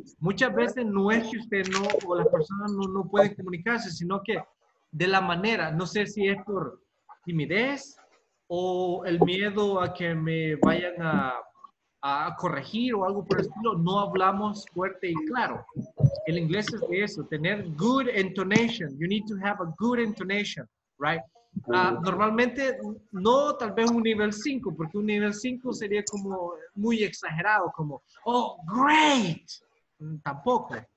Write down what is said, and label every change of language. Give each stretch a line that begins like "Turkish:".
Spanish: Muchas veces no es que usted no, o las personas no pueden comunicarse, sino que de la manera, no sé si es por timidez o el miedo a que me vayan a corregir o algo por el estilo, no hablamos fuerte y claro. El inglés es de eso, tener
English: good intonation. You need to have a good intonation, right?
Spanish: Normalmente, no tal vez un nivel 5, porque un nivel 5 sería como muy exagerado, como,
English: oh, great,
Spanish: tampoco.